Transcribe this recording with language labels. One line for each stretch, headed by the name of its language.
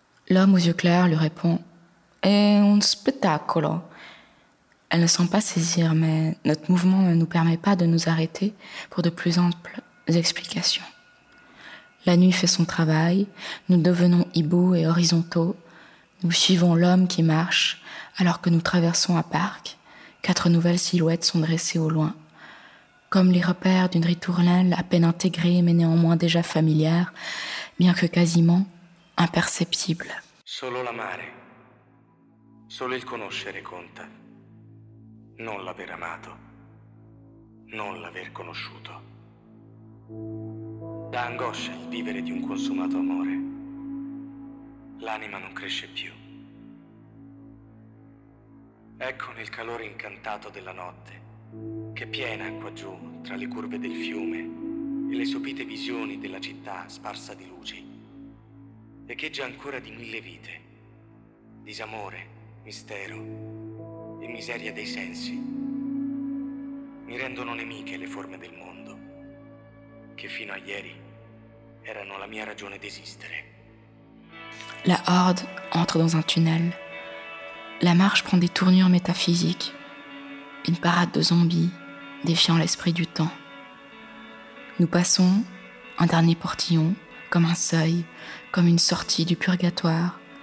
French: L'homme aux yeux clairs lui répond «
Italian: È un spettacolo !»
French: Elle ne semble pas saisir, mais notre mouvement ne nous permet pas de nous arrêter pour de plus amples explications. La nuit fait son travail, nous devenons hiboux et horizontaux. Nous suivons l'homme qui marche alors que nous traversons un parc. Quatre nouvelles silhouettes sont dressées au loin. Comme les repères d'une ritournelle à peine intégrée mais néanmoins déjà familière, bien que quasiment imperceptible.
Italian: Solo la mare. Solo il conoscere conta. Non l'aver amato. Non l'aver conosciuto. Da angoscia il vivere di un consumato amore. L'anima non cresce più. Ecco nel calore incantato della notte, che piena qua giù tra le curve del fiume e le sopite visioni della città sparsa di luci, echeggia ancora di mille vite, disamore, mistero e miseria dei sensi. Mi rendono nemiche le forme del mondo, che fino a ieri erano la mia ragione d'esistere.
French: La horde entre dans un tunnel. La marche prend des tournures métaphysiques. Une parade de zombies défiant l'esprit du temps. Nous passons un dernier portillon, comme un seuil, comme une sortie du purgatoire.